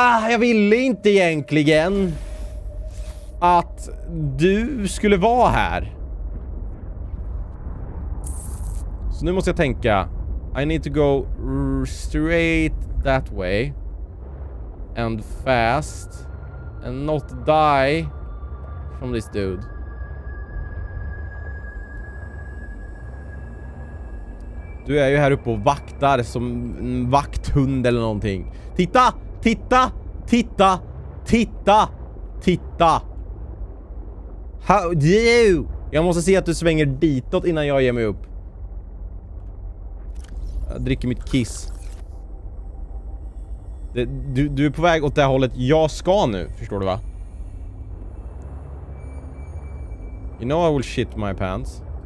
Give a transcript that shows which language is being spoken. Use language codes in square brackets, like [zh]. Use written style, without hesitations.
[sv] Jag ville inte egentligen att du skulle vara här. Så nu måste jag tänka. [en] I need to go straight that way. And fast. And not die from this dude. [sv] Du är ju här uppe och vaktar som en vakthund eller någonting. Titta! Titta! Titta! Titta! Titta! [en] How do you? [sv] Jag måste se att du svänger ditåt innan jag ger mig upp. Jag dricker mitt kiss. Du är på väg åt det här hållet. Jag ska nu, förstår du va? [en] You know I will shit my pants.